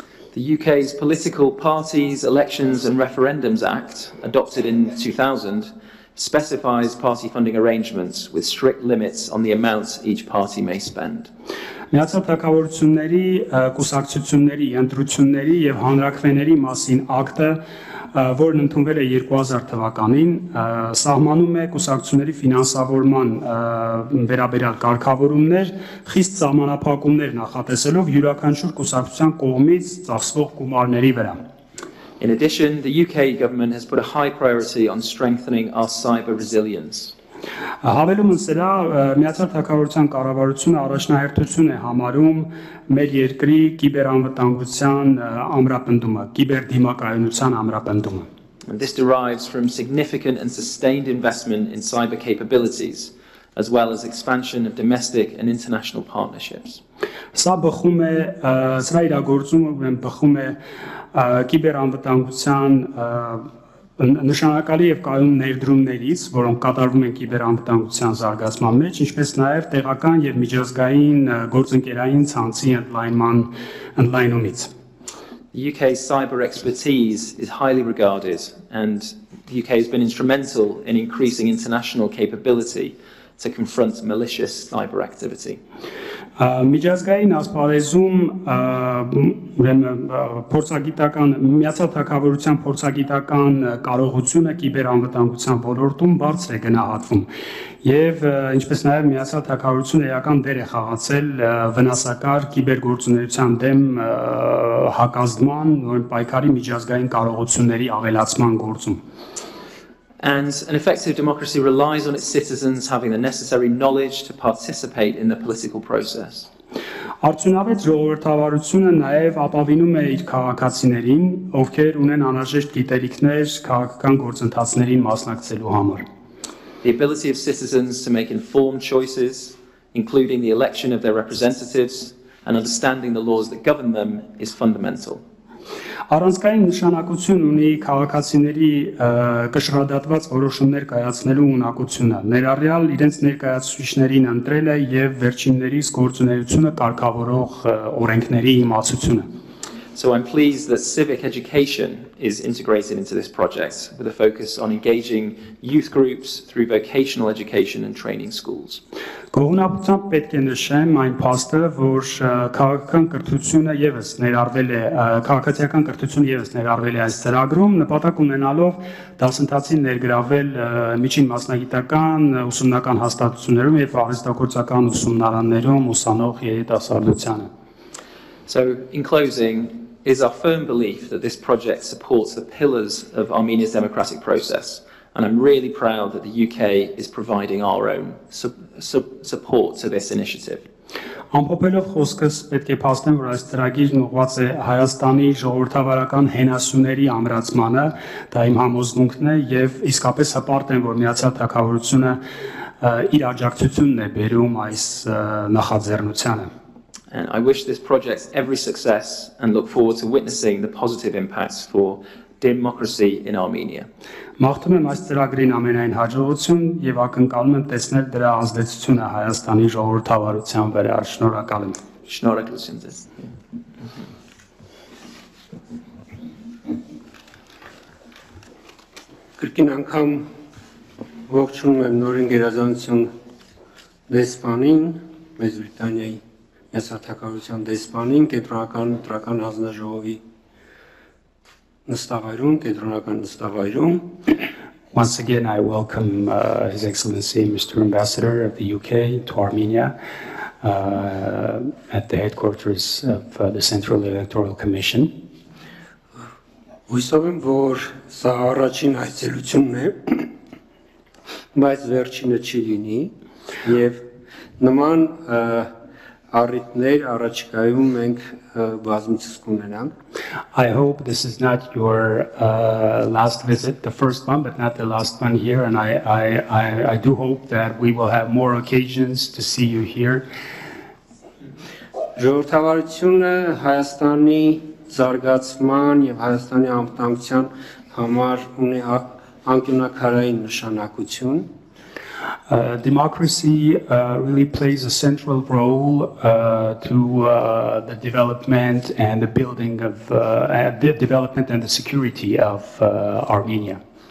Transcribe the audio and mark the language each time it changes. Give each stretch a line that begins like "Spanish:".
English: The UK's Political Parties, Elections and Referendums Act, adopted in 2000, specifies party funding arrangements with strict limits on the amounts each party may spend.
Armenian: Միացյալ թագավորությունների կուսակցությունների ընտրությունների եւ հանրակրվեների մասին ակտը, որն ընդունվել է 2000 թվականին, սահմանում է կուսակցությունների ֆինանսավորման վերաբերյալ կարգավորումներ, խիստ ժամանակապակումներ նախատեսելով յուրաքանչյուր կուսակցության կողմից ծախսվող գումարների վրա.
English: In addition, the UK government has put a high priority on strengthening our cyber resilience.
Armenian: Հավելումն սրա, Միացյալ Թագավորության կառավարությունը առաջնահերթություն է համարում մեր երկրի կիբերանվտանգության ամրապնդումը, կիբերդիմակայունության ամրապնդումը.
English: This derives from significant and sustained investment in cyber capabilities, as well as expansion of domestic and international partnerships.
Armenian: Սա բխում է, սրա իրագործումը բխում է կիբերանվտանգության նշանակալի եւ կայուն ներդրումներից, որոնք կատարվում են կիբերանվտանգության զարգացման մեջ, ինչպես նաեւ տեղական եւ միջազգային գործընկերային ցանցի ընդլայնումից։
English: The UK cyber expertise is highly regarded and the UK has been instrumental in increasing international capability to confront malicious cyber activity.
Armenian: Միջազգային ասպարեզում փորձագիտական միացյալ թագավորության փորձագիտական կարողությունը կիբերանվտանգության ոլորտում բարձր է գնահատվում եւ ինչպես նաեւ միացյալ թագավորությունը իրական դեր է խաղացել վնասակար կիբերգործունեության դեմ հակազդման նույն պայքարի միջազգային կարողությունների ավելացման գործում.
English: And an effective democracy relies on its citizens having the necessary knowledge to participate in the political process.
Armenian: Արդյունավետ ժողովրդավարությունը նաև ապավինում է իր քաղաքացիներին, ովքեր ունեն անհրաժեշտ գիտելիքներ քաղաքական գործընթացներին մասնակցելու համար.
English: the ability of citizens to make informed choices, including the election of their representatives, and understanding the laws that govern them, is fundamental.
Armenian: Առանցքային նշանակություն ունի քաղաքացիների կշռադատված որոշումներ կայացնելու ունակությունը։ Ներառյալ իրենց ներկայացուցիչներին ընտրել է եւ վերջիններիս գործունեությունը կարգավորող օրենքների իմացությունը։
English: So I'm pleased that civic education is integrated into this project with a focus on engaging youth groups through vocational education and training schools.
Armenian: Կողնապտամ պետք է նշեմ այն փաստը, որ քաղաքական կրթությունը եւս ներառվել է քաղաքացիական կրթությունը եւս ներառվել է այս ծրագրում, նպատակ ունենալով դասընթացին ներգրավել միջին մասնագիտական ուսումնական հաստատություններում եւ արհեստագործական ուսումնարաններում ուսանող երիտասարդությանը։
English: So in closing, it is our firm belief that this project supports the pillars of Armenia's democratic process, and I'm really proud that the UK is providing our own support to this initiative.
Armenian: Ամփոփելով խոսքս, պետք է փաստեմ, որ այս ծրագիրն ուղղված է Հայաստանի ժողովրդավարական հենասյուների ամրացմանը, դա իմ համոզմունքն է, եւ իսկապես հպարտ եմ, որ Միացյալ Թագավորությունը իր աջակցությունն է բերում այս նախաձեռնությանը.
English: And I wish this project every success and look forward to witnessing the positive impacts for democracy in Armenia.
Armenian: Մաղթում եմ այս ծրագրին ամենայն հաջողություն եւ ակնկալում եմ տեսնել դրա ազդեցությունը Հայաստանի ժողովրդավարության վրա։ Շնորհակալ եմ։ Շնորհակալ եմ ձեզ։ Կրկին անգամ ողջունում եմ նորին գերազանցություն դեսպանին, Մեծ Բրիտանիայի Միացյալ Թագավորության դեսպանին, կենտրոնական հանձնաժողովի նստավայրում,
English: Once again, I welcome His Excellency Mr. Ambassador of the UK to Armenia at the headquarters of the Central Electoral Commission.
Armenian: Հույսով եմ, որ սա առաջին այցելությունն է, բայց վերջինը չի լինի, եւ նման առիթներ առաջիկայում մենք բազմիցս կունենանք։
English: I hope this is not your last visit, the first one, but not the last one here, and I do hope that we will have more occasions to see you here.
Armenian: Ժողովրդավարությունը Հայաստանի զարգացման եւ Հայաստանի անվտանգության համար ունի անկյունաքարային նշանակություն։
English: Democracy really plays a central role to the development and the building of the development and the security of Armenia.